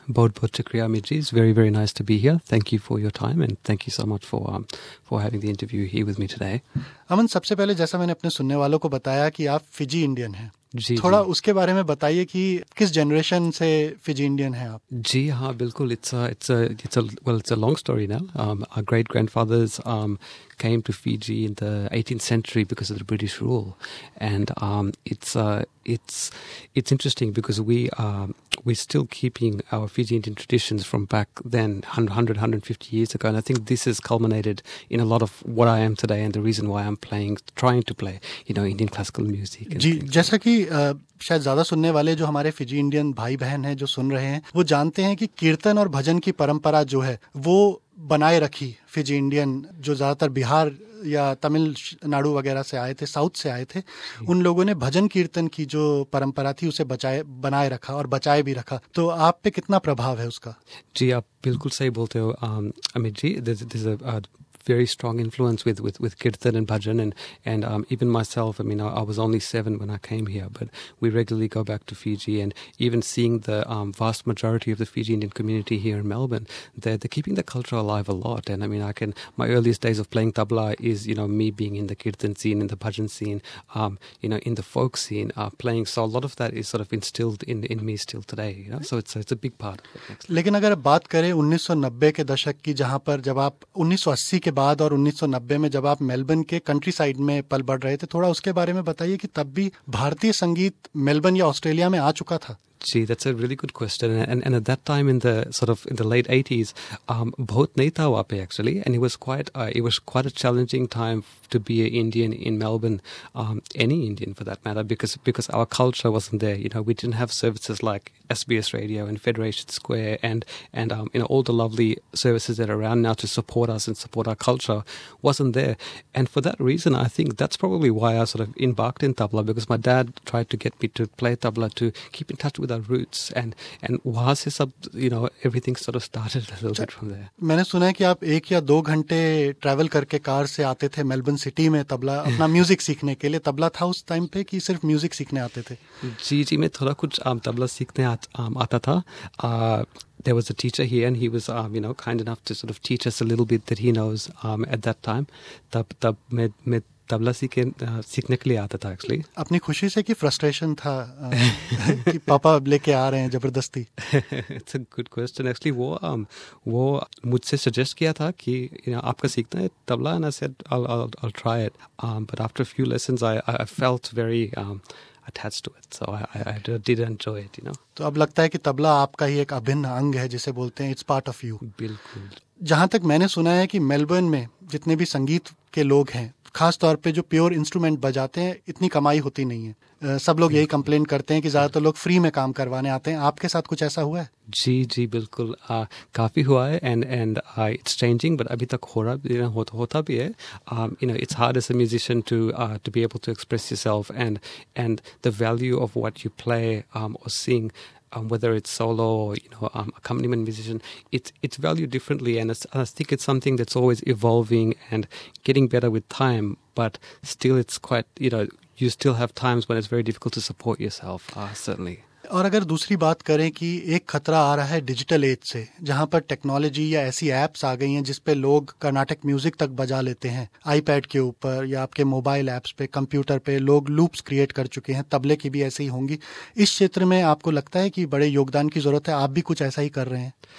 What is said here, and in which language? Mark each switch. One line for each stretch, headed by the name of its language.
Hindi: बहुत बहुत शुक्रिया Amit ji,
English: It's very very nice to be here. Thank you for your time and thank you so much for having the interview here with me today.
Hindi: अमन, सबसे पहले जैसा मैंने अपने सुनने वालों को बताया कि आप फिजी इंडियन हैं, जी थोड़ा जी। उसके बारे में बताइए कि किस जनरेशन से फिजी इंडियन हैं आप। जी हाँ, बिल्कुल।
English: It's a long story now. Our great grandfathers came to Fiji in the 18th century because of the British rule and it's interesting because we're still keeping our Fijian traditions from back then 100-150 years ago, and I think this has culminated in a lot of what I am today and the reason why I'm trying to play Indian classical music.
Hindi: जी, जैसा कि शायद ज्यादा सुनने वाले जो हमारे Fiji Indian भाई बहन हैं जो सुन रहे हैं वो जानते हैं कि कीर्तन और भजन की परंपरा जो है वो बनाए रखी फिजी इंडियन जो ज्यादातर बिहार या तमिलनाडु वगैरह से आए थे, साउथ से आए थे, उन लोगों ने भजन कीर्तन की जो परंपरा थी उसे बनाए रखा और बचाए भी रखा, तो आप पे कितना प्रभाव है उसका? जी, आप बिल्कुल सही बोलते हो Amit ji.
English: Very strong influence with kirtan and bhajan and even myself. I mean, I was only 7 when I came here, but we regularly go back to Fiji, and even seeing the vast majority of the Fiji Indian community here in Melbourne, they're keeping the culture alive a lot. And I mean, my earliest days of playing tabla is me being in the kirtan scene, in the bhajan scene, in the folk scene, playing. So a lot of that is sort of instilled in me still today. So it's a big part.
Hindi: लेकिन अगर बात करें 1990 के दशक की, जहाँ पर जब आप 1980 के बाद और 1990 में जब आप मेलबर्न के कंट्री साइड में पल बढ़ रहे थे, थोड़ा उसके बारे में बताइए कि तब भी भारतीय संगीत मेलबर्न या ऑस्ट्रेलिया में आ चुका था।
English: See, that's a really good question. And at that time, in the late 80s,
Hindi: bahut nahi tha wahan pe
English: actually, and it was quite a challenging time to be an Indian in Melbourne, any Indian for that matter, because our culture wasn't there. We didn't have services like SBS Radio and Federation Square and all the lovely services that are around now to support us and support our culture wasn't there. And for that reason, I think that's probably why I sort of embarked in tabla, because my dad tried to get me to play tabla to keep in touch with our roots and
Hindi: वहाँ से सब
English: everything sort of started a little bit from there.
Hindi: मैंने सुना है कि आप एक या दो घंटे travel करके कार से आते थे मेलबर्न सिटी में तबला अपना म्यूजिक सीखने के लिए। तबला था उस टाइम पे कि सिर्फ म्यूजिक सीखने आते थे? जी जी, मैं थोड़ा कुछ तबला सीखने आता था।
English: There was a teacher here and he was kind enough to sort of teach us a little bit that he knows at that time.
Hindi: तब मैं तबला सीखने के लिए आता था एक्चुअली। अपनी खुशी से कि फ्रस्ट्रेशन था कि पापा लेके आ रहे हैं जबरदस्ती?
English: It's a good question actually.
Hindi: वो मुझसे सजेस्ट किया था कि आपका सीखना है tabla,
English: and I said I will try it, but after few lessons I felt very attached to it, so I did enjoy it,
Hindi: तो अब लगता है कि तबला आपका ही एक अभिन्न अंग है जिसे बोलते हैं
English: It's part of you.
Hindi: बिल्कुल। जहां तक मैंने सुना है कि मेलबर्न में जितने भी संगीत के लोग हैं, खास तौर पे जो प्योर इंस्ट्रूमेंट बजाते हैं, इतनी कमाई होती नहीं है। सब लोग यही कंप्लेंट करते हैं कि ज्यादातर लोग फ्री में काम करवाने आते हैं। आपके साथ कुछ ऐसा हुआ है? जी जी बिल्कुल, काफी हुआ है
English: and it's changing,
Hindi: बट अभी तक होता भी है।
English: It's hard as a musician to be able to express yourself and the value of what you play और sing, whether it's solo or accompaniment musician, it's valued differently, and I think it's something that's always evolving and getting better with time, but still it's quite you still have times when it's very difficult to support yourself, certainly.
Hindi: और अगर दूसरी बात करें कि एक खतरा आ रहा है डिजिटल एज से, जहां पर टेक्नोलॉजी या ऐसी एप्स आ गई हैं जिस पे लोग कर्नाटक म्यूजिक तक बजा लेते हैं आईपैड के ऊपर या आपके मोबाइल एप्स पे, कंप्यूटर पे लोग लूप्स क्रिएट कर चुके हैं, तबले की भी ऐसी ही होंगी, इस क्षेत्र में आपको लगता है कि बड़े योगदान की जरूरत है? आप भी कुछ ऐसा ही कर रहे हैं?